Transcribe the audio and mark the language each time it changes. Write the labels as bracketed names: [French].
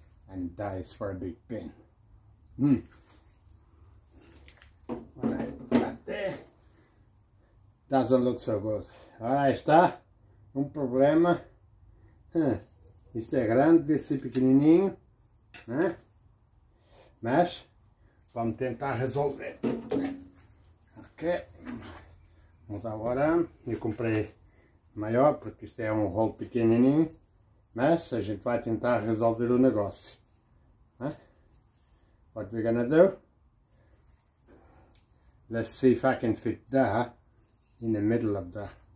[English] And that is for a big pin. When I put that there, doesn't look so good. [Portuguese] Ah, está um problema. Isto é grande, vê se é pequenininho, né? Mas vamos tentar resolver. Ok, vamos dar o arame. Eu comprei maior porque isto é um rolo pequenininho, mas a gente vai tentar resolver o negócio. [English] What we're gonna do? Let's see if I can fit that in the middle of that.